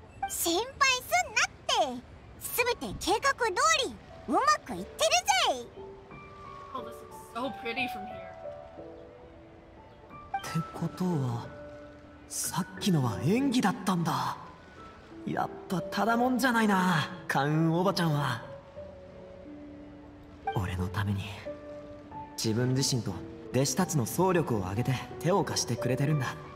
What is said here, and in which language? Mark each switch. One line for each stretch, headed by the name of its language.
Japanese: 心配すんなって、すべて計画通りうまくいってるぜ。
English: Oh, this is so pretty from here.
Japanese: ってことは、さっきのは演技だったんだ。やっぱただもんじゃないな、カンおばちゃんは。俺のために自分自身と弟子たちの総力を挙げて手を貸してくれてるんだ。